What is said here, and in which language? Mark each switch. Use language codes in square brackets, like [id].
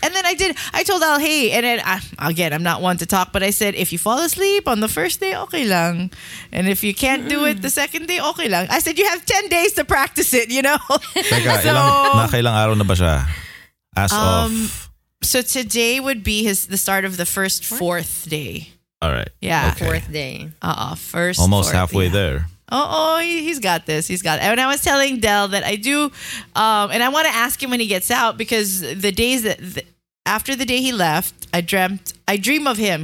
[en] And then I told Al, hey, and then I'm not one to talk, but I said, if you fall asleep on the first day, [tl] okay lang. [en] And if you can't do it the second day, [tl] okay lang. [en] I said, you have 10 days to practice it, you know? [tl] Nakailang araw na ba siya? Ass off. [en] So today would be the start of the first fourth day. All right. Yeah. Okay. Fourth day. First. Almost fourth, halfway there. He's got this. He's got it. And I was telling Dell that I do, and I want to ask him when he gets out, because the days that after the day he left, I dream of him.